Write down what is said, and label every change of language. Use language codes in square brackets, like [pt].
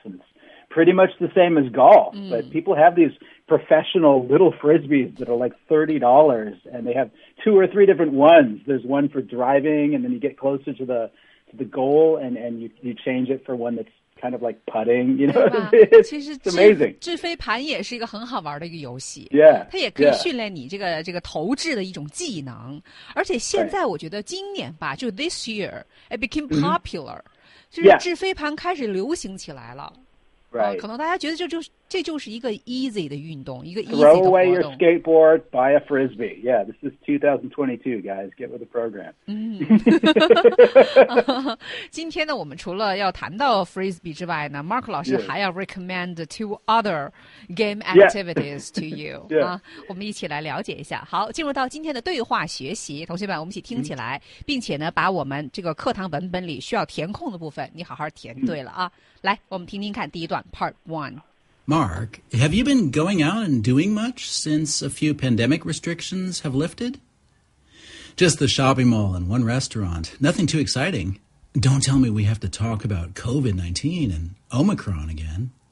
[en] And it's pretty much the same as golf. But people have these professional little frisbees that are like $30 and they have two or three different ones. There's one for driving and then you get closer to the goal and you change it for one that's kind of like putting, you know. [zh] 其实 [en] it's amazing. [zh] 掷飞盘也是一个很好玩的一个游戏。 [en] Yeah, [zh] 它也可以训练你这个、这个投掷的一种技能。而且现在我觉得今年吧，就 [en] this year, it became popular.、 [zh] 就是掷飞盘开始流行起来了。 [en] Right. [zh] 可能大家觉得这就是一个 easy 的运动，一个 easy 的活动。 [en] Throw away your skateboard, buy a frisbee. Yeah, this is 2022, guys. Get with the program. [zh] 今天呢，我们除了要谈到 frisbee 之外呢 ，Mark 老师还要 [en] recommend two other game activities to you. 、yeah. [zh] 我们一起来了解一下。好，进入到今天的对话学习，同学们，我们一起听起来，并且呢，把我们这个课堂文本里需要填空的部分，你好好填对了啊。来，我们听听看第一段 ，Part One。 [en] Mark, have you been going out and doing much since a few pandemic restrictions have lifted? Just the shopping mall and one restaurant. Nothing too exciting. Don't tell me we have to talk about COVID-19 and Omicron again.